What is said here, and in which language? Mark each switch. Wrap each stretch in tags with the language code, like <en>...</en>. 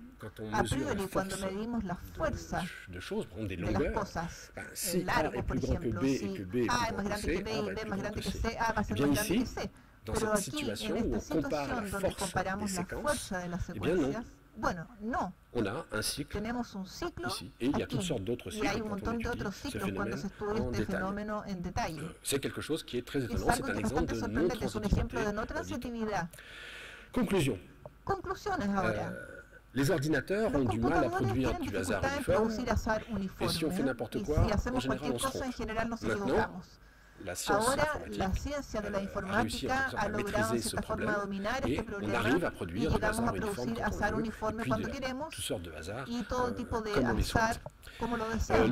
<fr>quand on mesure la force de choses, prendre des longueurs, ben, si A est plus grand que B et que B est plus grand que C, A est plus grand que C. Et bien ici, dans cette situation où on compare la force des séquences, eh bien non.</fr> <es>Bueno, no.</es> <fr>On a un cycle.</fr> <es>Tenemos un ciclo</es> <fr>ici. Et il y a toutes sortes d'autres cycles.</fr> <es>Y hay un montón de otros ciclos cuando se estudia este fenómeno en detalle.</es> <fr>C'est quelque chose qui est très étonnant. C'est un exemple de non-transitivité. Conclusion.</fr> <es>Conclusiones ahora.</es> <fr>Les ordinateurs ont du mal à produire du hasard uniforme. Et si on fait n'importe quoi, en général, on se trompe. Maintenant, La science informatique a réussi en quelque sorte à maîtriser ce problème et on arrive à produire du hasard uniforme quand on le veut, et puis de toutes sortes de hasards comme on les souhaite.</fr>